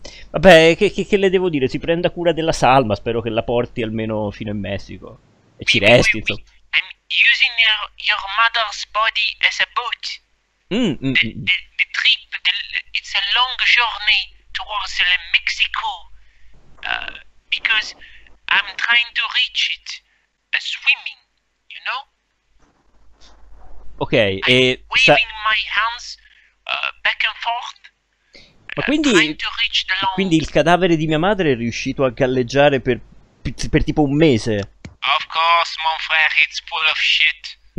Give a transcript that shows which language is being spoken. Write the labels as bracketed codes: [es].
[it] Vabbè, che le devo dire? Si prenda cura della salma, spero che la porti almeno fino in Messico. E ci resti, insomma. [en] I'm using your mother's body as a boat. The trip, it's a long journey towards the Mexico. Because I'm trying to reach it by swimming, you know? Ok, waving my hands back and forth. [it] Ma quindi il cadavere di mia madre è riuscito a galleggiare per tipo un mese? [en] Of course, [fr] mon frère, [en] it's full of shit.